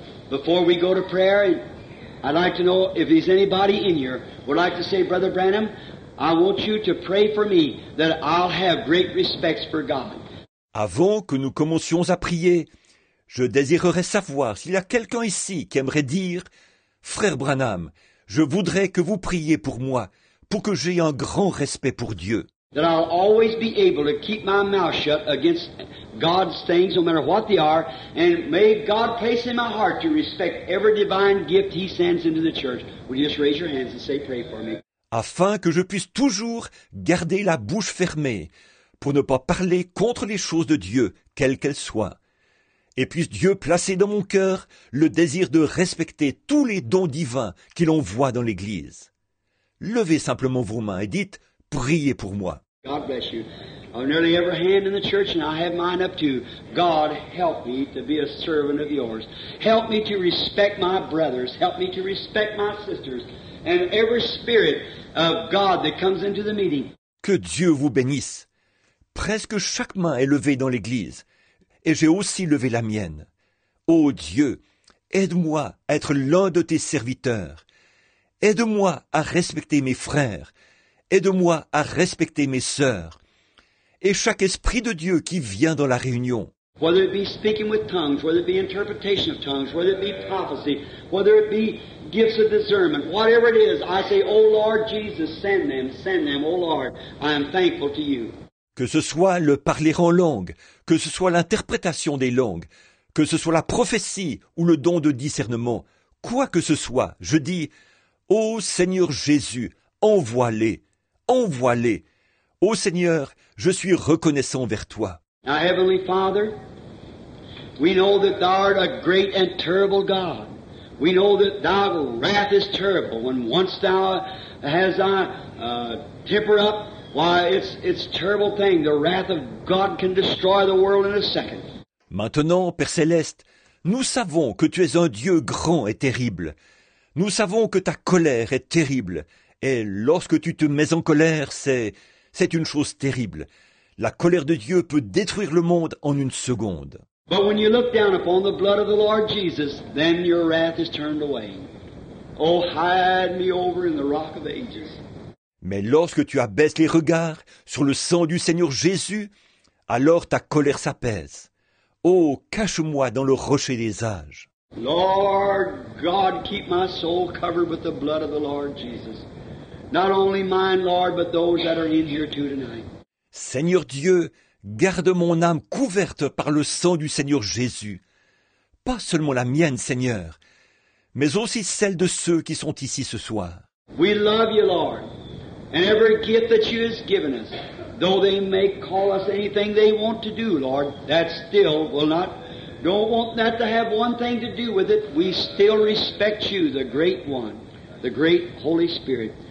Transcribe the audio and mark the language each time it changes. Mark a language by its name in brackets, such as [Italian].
[English] Before we go to prayer, I'd like to know if there's anybody in here would like to say, Brother Branham, I want you to pray for me that I'll have great respects for God. [French] Avant que nous commencions à prier, je désirerais savoir s'il y a quelqu'un ici qui aimerait dire, Frère Branham, je voudrais que vous priez pour moi, pour que j'aie un grand respect pour Dieu. [English] That I'll always be able to keep my mouth shut against God's things, no matter what they are, and may God place in my heart to respect every divine gift he sends into the church. Would you just raise your hands and say, pray for me. [French] Afin que je puisse toujours garder la bouche fermée, pour ne pas parler contre les choses de Dieu, quelles qu'elles soient. Et puisse Dieu placer dans mon cœur le désir de respecter tous les dons divins qu'il envoie dans l'Église. Levez simplement vos mains et dites, priez pour moi. [English] God bless you. I've nearly every hand in the church and I have mine up too. God, help me to be a servant of yours. Help me to respect my brothers. Help me to respect my sisters. And every spirit of God that comes into the meeting. [French] Que Dieu vous bénisse. Presque chaque main est levée dans l'Église. Et j'ai aussi levé la mienne. Ô Dieu, aide-moi à être l'un de tes serviteurs. Aide-moi à respecter mes frères. Aide-moi à respecter mes sœurs. Et chaque esprit de Dieu qui vient dans la réunion. [English] Whether it be speaking with tongues, whether it be interpretation of tongues, whether it be prophecy, whether it be gifts of discernment, whatever it is, I say, O Lord Jesus, send them, O Lord, I am thankful to you. [French] Que ce soit le parler en langue, que ce soit l'interprétation des langues, que ce soit la prophétie ou le don de discernement, quoi que ce soit, je dis, ô Seigneur Jésus, envoie-les, envoie-les. Ô Seigneur, je suis reconnaissant vers toi. [English] Now, Heavenly Father, we know that thou art a great and terrible God. We know that thy wrath is terrible. When once thou has thy temper up, why, it's a terrible thing. The wrath of God can destroy the world in a second. [French] Maintenant, Père Céleste, nous savons que tu es un Dieu grand et terrible. Nous savons que ta colère est terrible. Et lorsque tu te mets en colère, c'est une chose terrible. La colère de Dieu peut détruire le monde en une seconde. [English] But when you look down upon the blood of the Lord Jesus, then your wrath is turned away. Oh, hide me over in the rock of ages. [French] Mais lorsque tu abaisses les regards sur le sang du Seigneur Jésus, alors ta colère s'apaise. Oh, cache-moi dans le rocher des âges. [English] Lord God, keep my soul covered with the blood of the Lord Jesus. Not only mine, Lord, but those that are in here too tonight. [French] Seigneur Dieu, garde mon âme couverte par le sang du Seigneur Jésus. Pas seulement la mienne, Seigneur, mais aussi celle de ceux qui sont ici ce soir. [English] We love you, Lord. And every gift that you have given us, though they may call us anything they want to do, Lord, that still will not, don't want that to have one thing to do with it. We still respect you, the great one, the great Holy Spirit.